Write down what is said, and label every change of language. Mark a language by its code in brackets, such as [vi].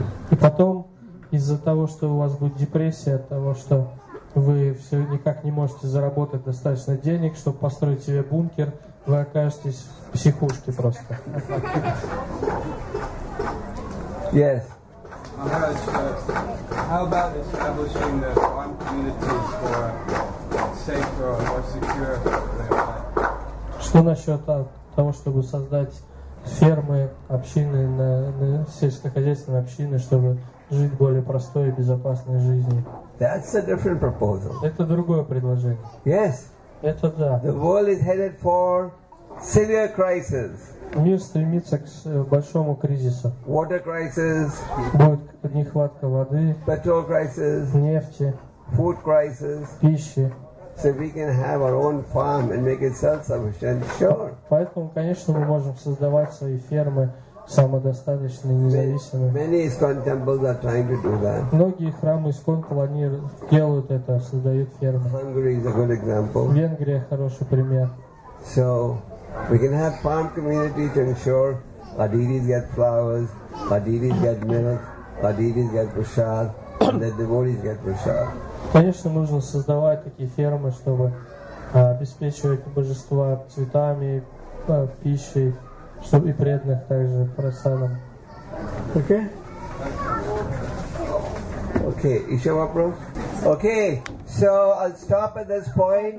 [ru] и потом, из-за того, что у вас будет депрессия, от того, что вы все никак не можете заработать достаточно денег, чтобы построить себе бункер, вы окажетесь в психушке просто. [en] Yes. How about establishing the farm communities for safer or more secure? [ru] Что насчет того, чтобы создать фермы, общины, на сельскохозяйственные общины, чтобы жить более простой и безопасной жизнью? [en] That's a different proposal. [ru] Это другое предложение. [en] Yes. [ru] Это да. [en] The world is headed for severe crisis. [ru] Мир стремится к большому кризису. [en] Water crisis. [ru] Будет нехватка воды. [en] Petrol crisis. [ru] Нефти. [en] Food crisis. [ru] Пищи. [en] So we can have our own farm and make it self-sufficient. Sure. [ru] Поэтому, конечно, мы можем создавать свои фермы самодостаточные, независимые. [en] Many ISKCON temples are trying to do that. [ru] Многие храмы ISKCON, они делают это, создают фермы. [en] Hungary is a good example. [ru] Венгрия хороший пример. [en] So we can have farm communities to ensure our deities get flowers, our deities get milk, our deities get prasad, and that the devotees get prasad. [ru] Конечно, нужно создавать такие фермы, чтобы обеспечивать божества цветами, пищей, чтобы и преданных также просадом. [en] Okay? Okay. [ru] Еще вопрос? [en] Okay. So I'll stop at this point.